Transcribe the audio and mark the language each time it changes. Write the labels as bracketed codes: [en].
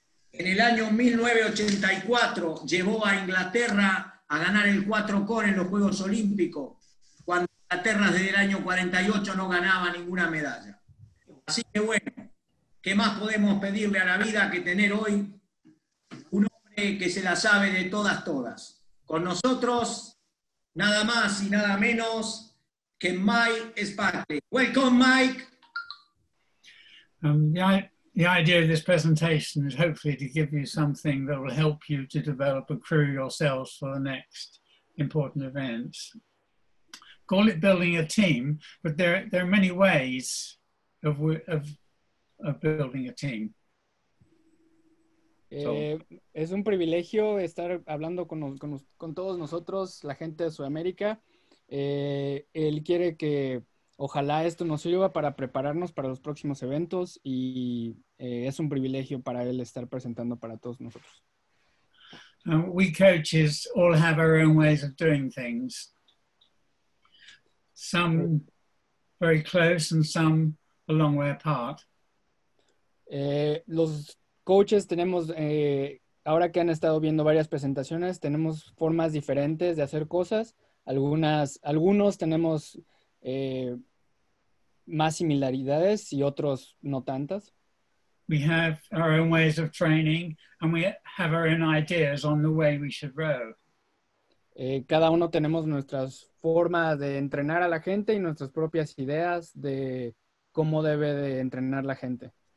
[es] En el año 1984 llevó a Inglaterra a ganar el 4-core en los Juegos Olímpicos, cuando Inglaterra desde el año 48 no ganaba ninguna medalla. Así que bueno, ¿qué más podemos pedirle a la vida que tener hoy un hombre que se la sabe de todas, todas? Con nosotros, nada más y nada menos que Mike Sparkley. [en] Welcome, Mike. The idea of this presentation is hopefully to give you something that will help you to develop a crew yourselves for the next important events. Call it building a team, but there are many ways of building a team. [es] Es un privilegio estar hablando con todos nosotros, la gente de Sudamérica. Él quiere que ojalá esto nos sirva para prepararnos para los próximos eventos y es un privilegio para él estar presentando para todos nosotros. [en] We coaches all have our own ways of doing things. Some very close and some a long way apart. [es] Los coaches tenemos, ahora que han estado viendo varias presentaciones, tenemos formas diferentes de hacer cosas. Algunos tenemos más similaridades y otros no tantas. [en] We have our own ways of training and we have our own ideas on the way we should row. [es] Cada uno tenemos nuestras formas de entrenar a la gente y nuestras propias ideas de cómo debe de entrenar la gente.